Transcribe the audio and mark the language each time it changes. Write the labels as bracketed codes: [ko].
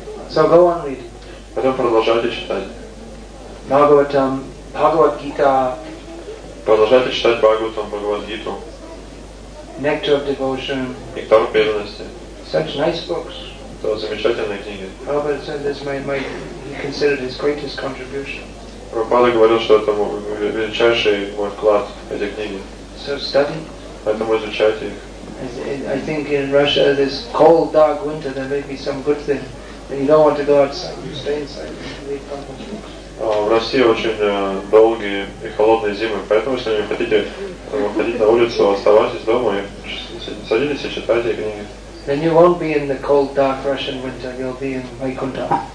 [en] So go on reading. [ru] Потом продолжайте читать. [en] Bhagavatam, Bhagavad Gita. [ru] Продолжайте читать Бхагаватам, Бхагавад Гиту. [en] Nectar of Devotion. [ru] Нектар преданности. [en] Such nice books. [ru] Это замечательные книги. [en] Prabhupada said this might be considered his greatest contribution. [ru] Прабхупада говорил, что это величайший мой вклад, эти книги. [en] So study. [ru] Поэтому изучайте их. [en] I think in Russia this cold, dark winter there may be some good thing. And you don't want to go outside, you stay inside and read Prabhupada's books. [ru] В России очень долгие и холодные зимы, поэтому если вы хотите выходить на улицу, оставайтесь дома и садитесь и читайте книги. [en] Then you won't be in the cold, dark Russian winter, you'll be in Vaikuntha.